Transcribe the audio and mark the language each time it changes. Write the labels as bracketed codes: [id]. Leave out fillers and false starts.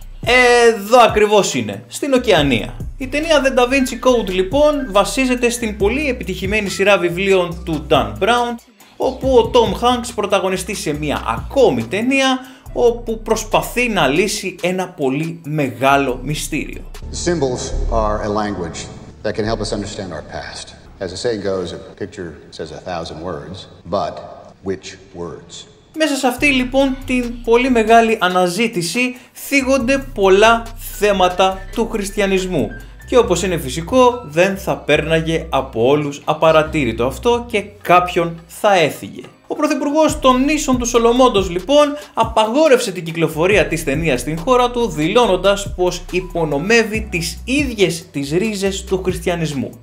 [el] Εδώ ακριβώς είναι, στην Οκεανία. Η ταινία The Da Vinci Code λοιπόν βασίζεται στην πολύ επιτυχημένη σειρά βιβλίων του Dan Brown, όπου ο Tom Hanks πρωταγωνιστεί σε μια ακόμη ταινία όπου προσπαθεί να λύσει ένα πολύ μεγάλο μυστήριο. [en] The symbols are a language that can help us understand our past. As the saying goes, a picture says a thousand words, but which words? [el] Μέσα σε αυτή λοιπόν την πολύ μεγάλη αναζήτηση θίγονται πολλά θέματα του χριστιανισμού και όπως είναι φυσικό δεν θα πέρναγε από όλους απαρατήρητο αυτό και κάποιον θα έφυγε. Ο πρωθυπουργός των νήσων του Σολομώντος λοιπόν απαγόρευσε την κυκλοφορία της ταινίας στην χώρα του, δηλώνοντας πως υπονομεύει τις ίδιες τις ρίζες του χριστιανισμού.